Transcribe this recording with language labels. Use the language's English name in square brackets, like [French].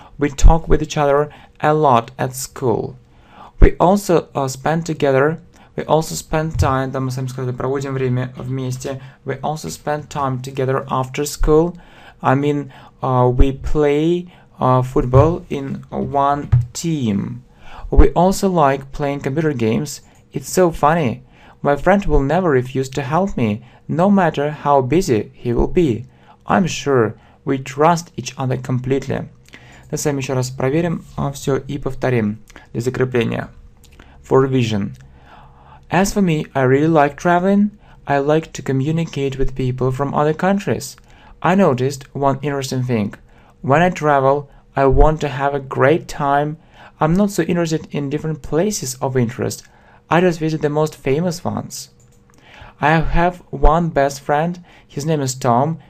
[English] We talk with each other a lot at school. We also spend together. We also spend time. [Russian] Да, мы с вами сказали, проводим время вместе. [English] We also spend time together after school. I mean, we play football in one team. We also like playing computer games. It's so funny. My friend will never refuse to help me, no matter how busy he will be. I'm sure we trust each other completely. [Russian] Да, с вами еще раз проверим все и повторим для закрепления. [English] For revision. As for me, I really like traveling. I like to communicate with people from other countries. I noticed one interesting thing. When I travel, I want to have a great time. I'm not so interested in different places of interest. I just visit the most famous ones. I have one best friend. His name is Tom.